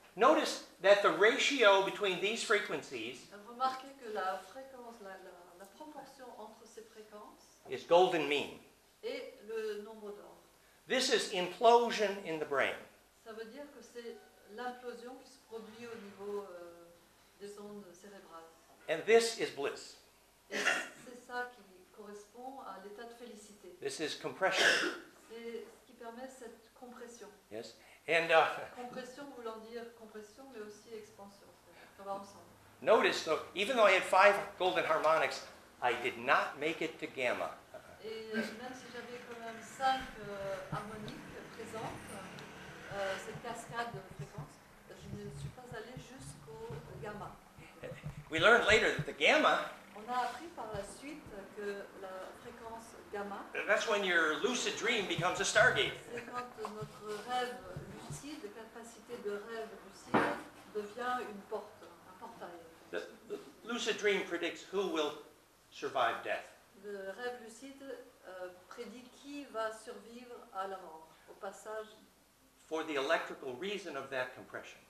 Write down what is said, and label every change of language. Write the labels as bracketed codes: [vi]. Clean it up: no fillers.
[en] Notice that the ratio between these frequencies. [fr] Remarquez que la fréquence, la proportion entre ces fréquences. [en] Is golden mean. [fr] Et le nombre d'or. [en] This is implosion in the brain. [fr] Ça veut dire que c'est l'implosion qui se produit au niveau des ondes cérébrales. [en] And this is bliss. [fr] Et c'est ça qui correspond à l'état de félicité. [en] This is compression. [fr] C'est ce qui permet cette compression. [en] Yes. And [fr] compression voulant dire compression mais aussi expansion. Ça va ensemble. [en] Notice though, even though I had 5 golden harmonics, I did not make it to gamma. [fr] Et même si j'avais quand même 5 harmoniques présentes, cette cascade de fréquences, je ne suis pas allé jusqu'au gamma. [en] We learned later that the gamma. [fr] On a appris par la suite que la fréquence gamma. [en] That's when your lucid dream becomes a stargate. [fr] C'est quand notre rêve lucide, capacité de rêve lucide, devient une porte, un portail. [en] The lucid dream predicts who will survive death. [fr] Le rêve lucide prédit qui va survivre à la mort, au passage. [en] For the electrical reason of that compression.